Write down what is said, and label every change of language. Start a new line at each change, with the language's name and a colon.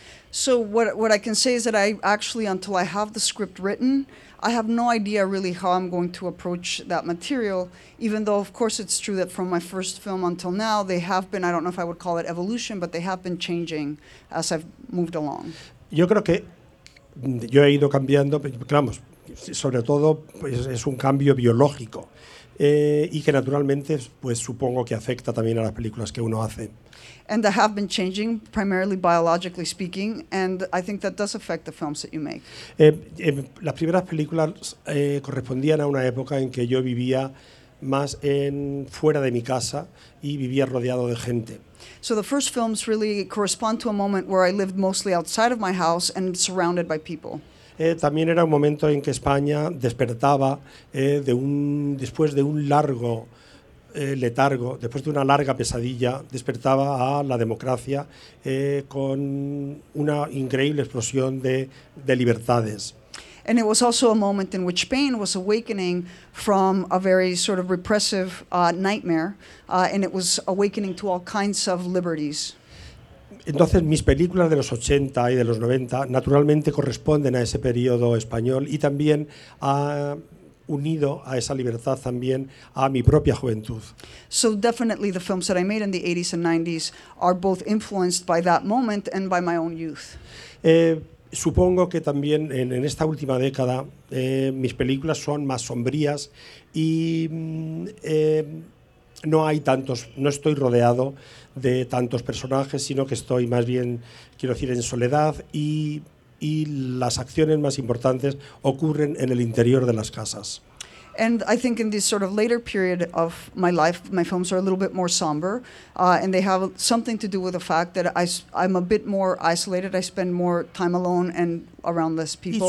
English: So what I can say is that I actually, until I have the script written, I have no idea really how I'm going to approach that material, even though of course it's true that from my first film until now, they have been, I don't know if I would call it evolution, but they have been changing as I've moved along.
Spanish: Yo creo que yo he ido cambiando, vamos, sobre todo pues, es un cambio biológico y que naturalmente pues supongo que afecta también a las películas que uno hace.
English: And I have been changing, primarily biologically speaking, and I think that does affect the films that you make.
Spanish: Las primeras películas correspondían a una época en que yo vivía más en fuera de mi casa y vivía rodeado de gente.
English: So the first films really correspond to a moment where I lived mostly outside of my house and surrounded by people.
Spanish: También era un momento en que España despertaba después de una larga pesadilla, despertaba a la democracia con una increíble explosión de libertades.
English: And it was also a moment in which Spain was awakening from a very sort of repressive nightmare, and it was awakening to all kinds of liberties.
Spanish: Entonces, mis películas de los 80 y de los 90 naturalmente corresponden a ese periodo español y también a... unido a esa libertad también a mi propia juventud.
English: So definitely the films that I made in the 80s and 90s are both influenced by that moment and by my own youth.
Spanish: Supongo que también en esta última década mis películas son más sombrías y no estoy rodeado de tantos personajes, sino que estoy más bien, quiero decir, en soledad y las acciones más importantes ocurren en el interior de las casas.
English: And I think in this sort of later period of my life, my films are a little bit more somber, and they have something to do with the fact that I'm a bit more isolated. I spend more time alone and around less people.